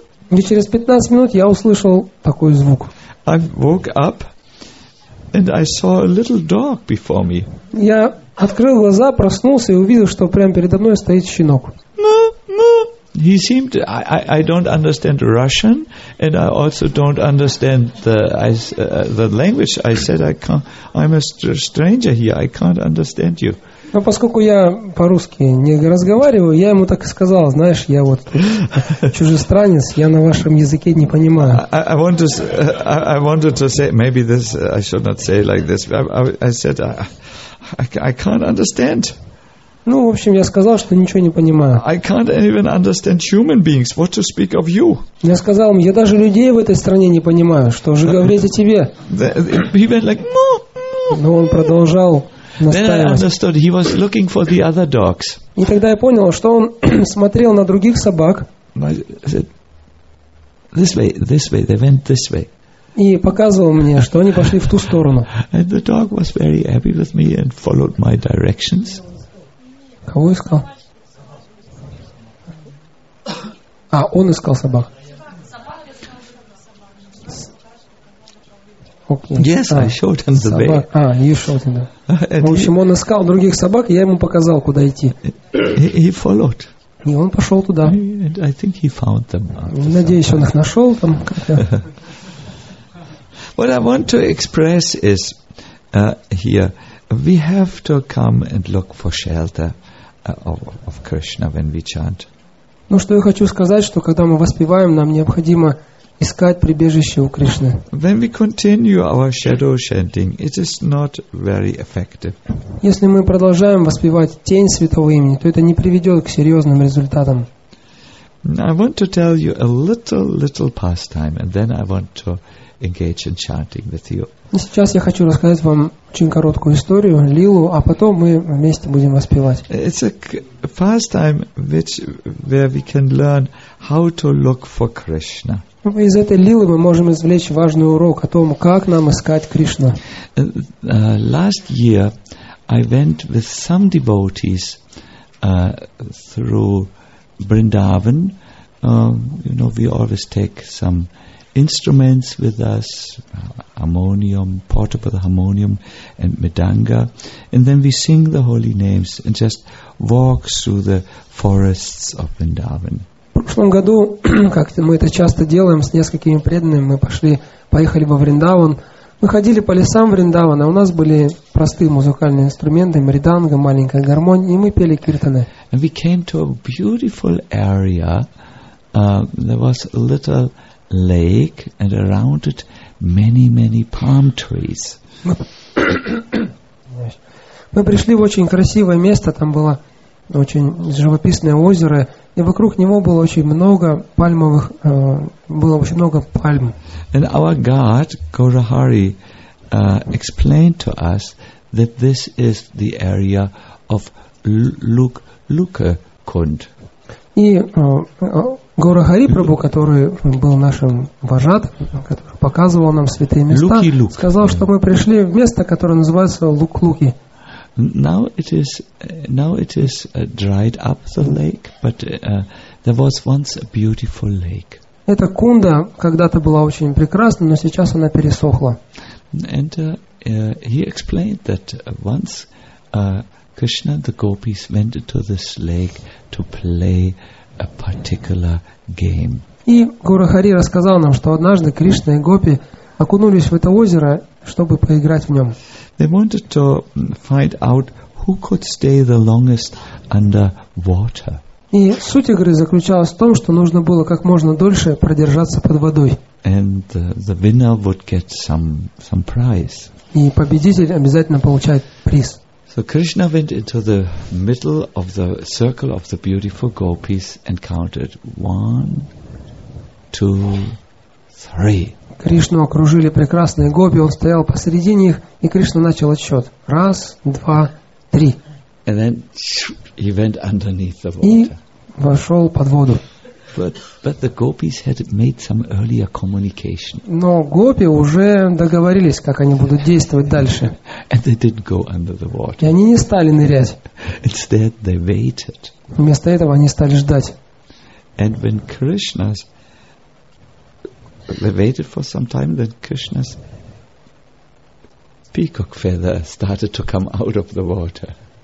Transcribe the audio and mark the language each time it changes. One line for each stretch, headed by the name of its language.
Russian: И через 15 минут я услышал такой звук.
English: I woke up and I saw a little dog before me.
Russian: Я открыл глаза, проснулся и увидел, что прямо передо мной стоит щенок.
English: He seemed I don't understand Russian and I also don't understand the language. I said I'm a stranger here. I can't understand you.
Russian: Но поскольку я по-русски не разговариваю, я ему так и сказал, знаешь, я вот чужестранец, я на вашем языке не понимаю.
English: I wanted to say, maybe this, I should not say like this, I said, I can't understand.
Russian: Ну, в общем, я сказал, что ничего не понимаю.
English: I can't even understand human beings, what to speak of you.
Russian: Я сказал ему, я даже людей в этой стране не понимаю, что же говорить о тебе?
English: He went like, no,
Russian: Но он продолжал.
English: Then I understood he was looking for the other dogs.
Russian: И тогда я понял, что он смотрел на других собак.
English: I said, this way, they went this way.
Russian: И показывал мне, что они пошли в ту сторону.
English: And the dog was very happy with me and followed my directions.
Russian: Кого искал? А, он искал собак.
English: Okay. Yes, I showed him the way. You showed him.
Russian: В общем, он искал других собак, и я ему показал, куда идти.
English: He followed.
Russian: И он пошел туда.
English: And I think he found them.
Russian: Надеюсь, он их нашел там.
English: What I want to express is here, we have to come and look for shelter of Krishna when we chant.
Russian: Ну, что я хочу сказать, что когда мы воспеваем, нам необходимо искать прибежище у Кришны.
English: When we continue our shadow chanting, it is not very effective.
Russian: Если мы продолжаем воспевать тень святого имени, то это не приведет к серьезным результатам.
English: I want to tell you a little pastime, and then I want to engage in chanting with you.
Russian: Сейчас я хочу рассказать вам очень короткую историю, лилу, а потом мы вместе будем воспевать.
English: It's a pastime where we can learn how to look for Krishna.
Russian: Из этой лилы мы можем извлечь важный урок о том, как нам искать Кришну.
English: Last year I went with some devotees through Vrindavan. You know, we always take some instruments with us, harmonium, portable harmonium and medanga, and then we sing the holy names and just walk through the forests of Vrindavan.
Russian: В прошлом году, как мы это часто делаем с несколькими преданными, мы поехали во Вриндаван. Мы ходили по лесам Вриндавана, у нас были простые музыкальные инструменты, мриданга, маленькая гармония, и мы пели киртаны.
English: And we came to a beautiful area. There was a little lake, and around it many palm trees.
Russian: Мы пришли в очень красивое место, там было очень живописное озеро, и вокруг него было очень много пальмовых, было очень много пальм.
English: And our guide, Gaurahari, explained to us that this is the area of Lukakund.
Russian: И Gaurahari Prabhu, который был нашим вожат, который показывал нам святые места, сказал, что мы пришли в место, которое называется Луклуки.
English: Now it is dried up, the lake, but there was once a beautiful lake.
Russian: Эта Кунда когда-то была очень прекрасна, но сейчас она пересохла.
English: And he explained that once Krishna, the gopis, went into this lake to play a particular game.
Russian: И Гуру Хари рассказал нам, что однажды Кришна и гопи окунулись в это озеро, чтобы поиграть в нем.
English: They wanted to find out who could stay the longest under water.
Russian: И суть игры заключалась в том, что нужно было как можно дольше продержаться под водой.
English: And the winner would get some prize.
Russian: И победитель обязательно получает приз.
English: So Krishna went into the middle of the circle of the beautiful gopis and counted 1, 2, 3.
Russian: Кришну окружили прекрасные гопи, он стоял посреди них, и Кришна начал отсчет.
English: 1, 2, 3. And then he went underneath the water.
Russian: И вошел под воду.
English: But the gopis had made some earlier communication.
Russian: Но гопи уже договорились, как они будут действовать дальше.
English: And they didn't go under the water.
Russian: И они не стали нырять.
English: Instead, they waited.
Russian: Вместо этого они стали ждать.
English: And when Krishna's they waited for some time, then Krishna's peacock feather started to come out of the water.